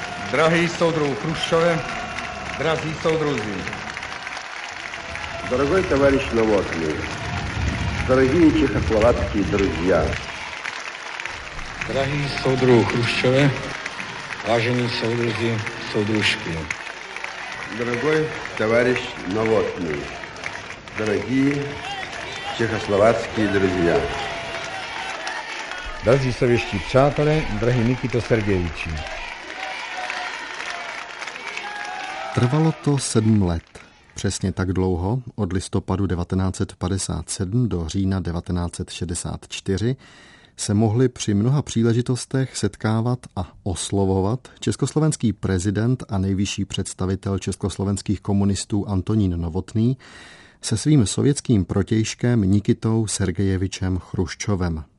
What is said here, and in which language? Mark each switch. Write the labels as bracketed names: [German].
[Czech] Drahí soudruhu Chruščove, drazí soudruzi. [Russian] Дорогой товарищ Новотный, дорогие чехословацкие друзья. [Czech] Drahí soudruhu Chruščove, vážení soudruzi, soudružky. [Russian] Дорогой товарищ Новотный, дорогие чехословацкие друзья. [Czech] Drazí sovětští přátelé, drahý Nikito Sergejiči. Trvalo to 7 let. Přesně tak dlouho, od listopadu 1957 do října 1964, se mohli při mnoha příležitostech setkávat a oslovovat československý prezident a nejvyšší představitel československých komunistů Antonín Novotný se svým sovětským protějškem Nikitou Sergejevičem Chruščovem.